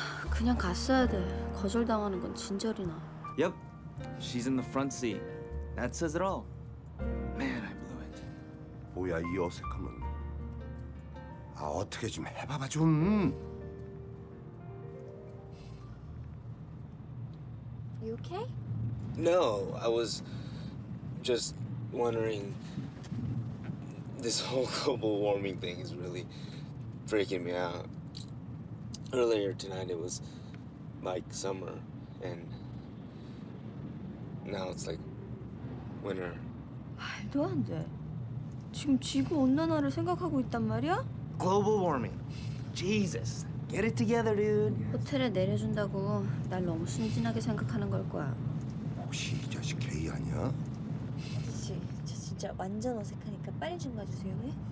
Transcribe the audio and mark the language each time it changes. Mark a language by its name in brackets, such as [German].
[Korean] 그냥 갔어야 돼. 거절당하는 건 진절이나. [English] Yep. She's in the front seat. That says it all. Man, I blew it. [Korean] 뭐야 이 어색함은? 아 어떻게 좀 해봐봐 좀. [English] You okay? No, I was just wondering. This whole global warming thing is really freaking me out. Earlier tonight it was like summer, and now it's like winter. [Korean] 말도 안 돼. 지금 지구 온난화를 생각하고 있단 말이야? [English] Global warming. Jesus. Get it together, dude. [Korean] 호텔에 내려준다고 날 너무 순진하게 생각하는 걸 거야. 혹시 이 자식 게이 아니야? 그치, 저 진짜 완전 어색하니까 빨리 좀 봐주세요, 왜?